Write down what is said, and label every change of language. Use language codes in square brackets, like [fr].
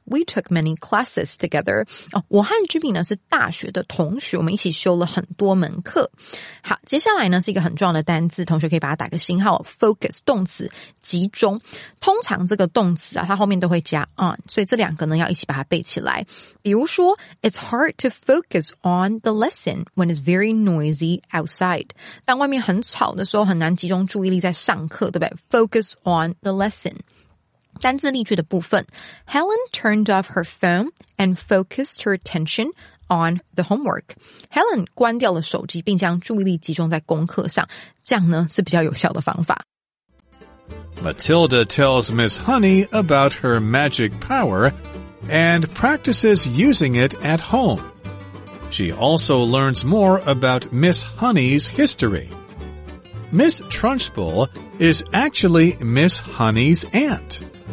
[en] We took many classes together. [zh] 哦，我和 Jimmy 呢是大学的同学，我们一起修了很多门课。好，接下来呢是一个很重要的单字，同学可以把它打个星号 ,focus, 动词集中。通常这个动词啊它后面都会加 on, 所以这两个呢要一起把它背起来。比如说 [en] It's hard to focus on the lesson when it's very noisy outside. [zh] 当外面很吵的时候很难集中注意力在上课对不对 ? [en] Focus on the lesson. [zh] 单字例句的部分 [en] Helen turned off her phone and focused her attention on the homework. [zh] Helen 关掉了手机并将注意力集中在功课上这样呢是比较有效的方法。 [en] Matilda tells Miss Honey about her magic power,and practices using it at home. She also learns more about Miss Honey's history. Miss Trunchbull is actually Miss Honey's aunt.